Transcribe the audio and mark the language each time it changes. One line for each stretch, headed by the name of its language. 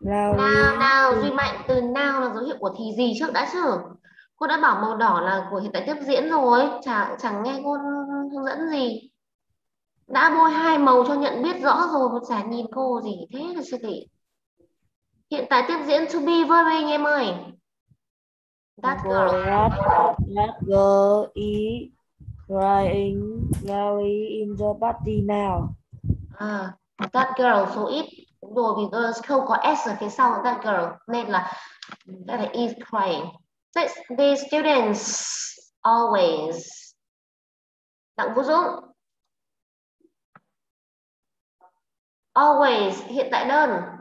Vietnamese: Nào, nào, Duy Mạnh, từ nào là dấu hiệu của thì gì trước đã chứ? Cô đã bảo màu đỏ là của hiện tại tiếp diễn rồi, chẳng nghe cô hướng dẫn gì. Đã bôi hai màu cho nhận biết rõ rồi, một chả nhìn cô gì thế là sư thị. Hiện tại tiếp diễn to be verb anh em ơi.
English: That girl. That girl is crying loudly in the party now.
Vietnamese: À,
English: that girl
Vietnamese: số ít. Đúng rồi, vì girl không có S ở phía sau
English: that girl.
Vietnamese: Nên là
English: that is crying. The students always. Đặng Vũ Dũng.
Vietnamese: Always, hiện tại đơn.